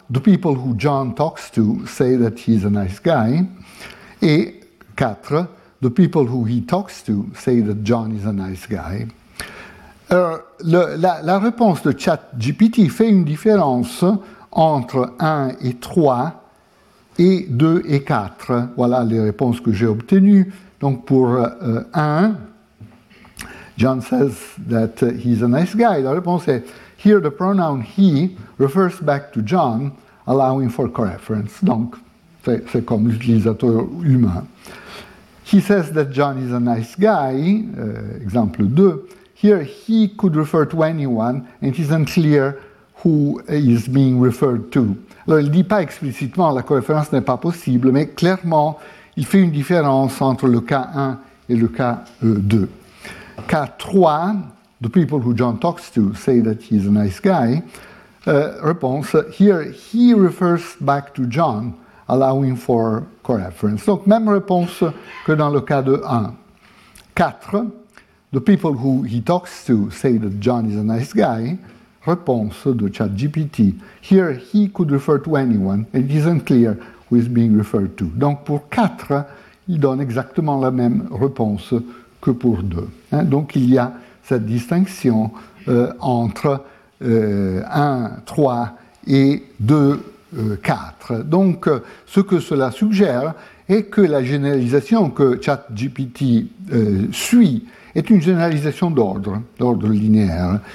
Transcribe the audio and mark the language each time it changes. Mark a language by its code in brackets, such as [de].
[en] « The people who John talks to say that he's a nice guy. » [fr] Et 4. [en] The people who he talks to say that John is a nice guy. [fr] Alors, la réponse de ChatGPT fait une différence entre 1 et 3 et 2 et 4. Voilà les réponses que j'ai obtenues. Donc pour 1, [en] John says that he's a nice guy. [fr] La réponse est, [en] here the pronoun he refers back to John, allowing for co-reference. [fr] Donc c'est comme l'utilisateur humain. [en] He says that John is a nice guy, [fr] exemple 2. [en] Here he could refer to anyone, and it isn't clear who is being referred to. [fr] Alors, il ne dit pas explicitement, la co-référence n'est pas possible, mais clairement, il fait une différence entre le cas 1 et le cas 2. Cas 3, [en] the people who John talks to say that he is a nice guy, [fr] réponse, [en] here he refers back to John, allowing for co-reference. [fr] Donc, même réponse que dans le cas de 1. 4. [en] The people who he talks to say that John is a nice guy. [fr] Réponse de ChatGPT. [en] Here, he could refer to anyone. It isn't clear who is being referred to. [fr] Donc, pour 4, il donne exactement la même réponse que pour 2. Hein? Donc, il y a cette distinction entre 1, 3 et 2, 4. Donc, ce que cela suggère est que la généralisation que ChatGPT suit est une généralisation d'ordre, d'ordre linéaire.